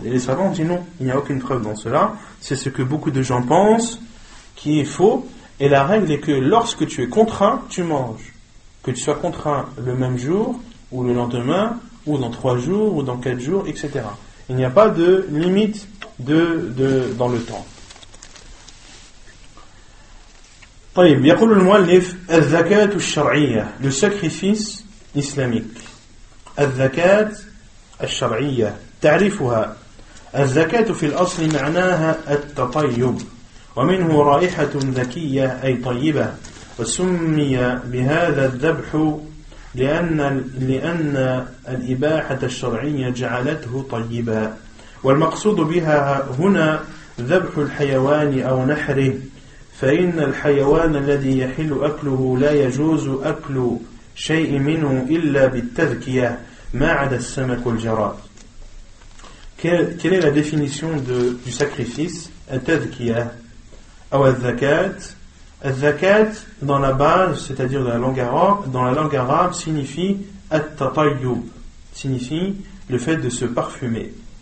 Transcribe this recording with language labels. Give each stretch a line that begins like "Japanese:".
French: Et les savants disent non, il n'y a aucune preuve dans cela. C'est ce que beaucoup de gens pensent qui est faux. Et la règle est que lorsque tu es contraint, tu manges. Que tu sois contraint le même jour, ou le lendemain, ou dans 3 jours, ou dans 4 jours, etc. Il n'y a pas de limite dans le temps.
Arabic: طيب يقول المؤلف الزكاة الشرعية
French: le sacrifice islamique
Arabic: الزكاة الشرعية تعريفها الزكاة في الأصل معناها التطيب ومنه رائحة زكية أي طيبة وسمي بهذا الذبح لأن الإباحة الشرعية جعلته طيبا والمقصود بها هنا ذبح الحيوان أو نحره فإن الحيوان الذي يحل أكله لا يجوز أكل شيء منه إلا بالتذكية ما عدا السمك والجراد.
French: Quelle est la définition du sacrifice
Arabic: التذكية أو الزكاة؟
French: الزكاة dans la base, c'est-à-dire dans la langue arabe, signifie التطيب, signifie le fait de se parfumer.